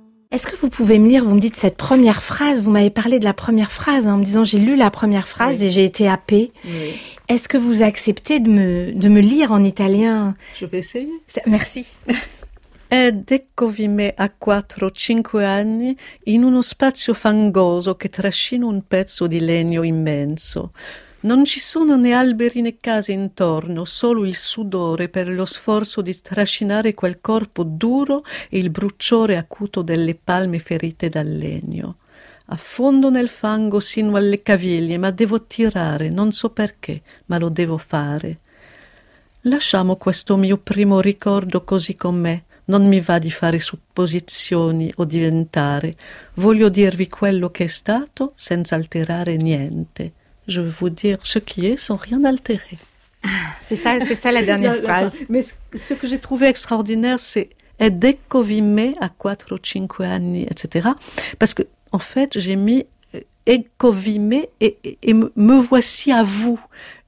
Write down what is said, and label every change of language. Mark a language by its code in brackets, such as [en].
[fr] Est-ce que vous pouvez me lire, vous me dites cette première phrase, vous m'avez parlé de la première phrase en me disant j'ai lu la première phrase et j'ai été happée. Est-ce que vous acceptez de me lire en italien? Je vais essayer. Merci. [it] Ed eccovi me a 4-5 anni in uno spazio fangoso che trascina un pezzo di legno immenso. Non ci sono né alberi né case intorno, solo il sudore per lo sforzo di trascinare quel corpo duro e il bruciore acuto delle palme ferite dal legno. Affondo nel fango sino alle caviglie, ma devo tirare, non so perché, ma lo devo fare. Lasciamo questo mio primo ricordo così com'è. Non mi va di fare supposizioni o diventare. Voglio dirvi quello che è stato senza alterare niente. [fr] Je veux vous dire ce qui est sans rien altérer. C'est ça la dernière phrase. Mais ce que j'ai trouvé extraordinaire, c'est « [it] Ed eccovi me a 4-5 anni [fr] », etc. Parce que en fait, j'ai mis « [it] eccovi me [fr] » et « me voici à vous ».